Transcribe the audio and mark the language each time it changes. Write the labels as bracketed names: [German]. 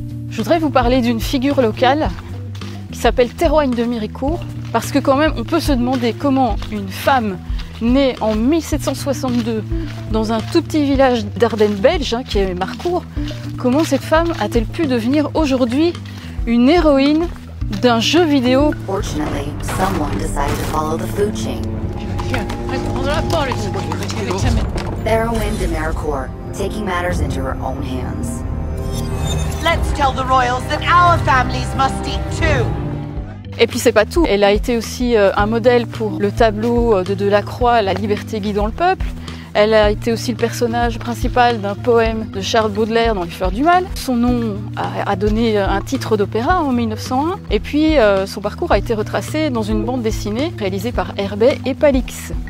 [French] Je voudrais vous parler d'une figure locale qui s'appelle Théroigne de Méricourt, parce que quand même on peut se demander comment une femme née en 1762 dans un tout petit village d'Ardennes belge, hein, qui est Marcourt, comment cette femme a-t-elle pu devenir aujourd'hui une héroïne d'un jeu vidéo. [English] Fortunately, someone decided to follow the food chain. Théroigne de Méricourt, taking matters into her own hands. Let's tell the royals that our families must eat too. [French] Et puis c'est pas tout. Elle a été aussi un modèle pour le tableau de Delacroix, La liberté guidant le peuple. Elle a été aussi le personnage principal d'un poème de Charles Baudelaire dans Les Fleurs du Mal. Son nom a donné un titre d'opéra en 1901. Et puis, son parcours a été retracé dans une bande dessinée réalisée par Herbet et Palix.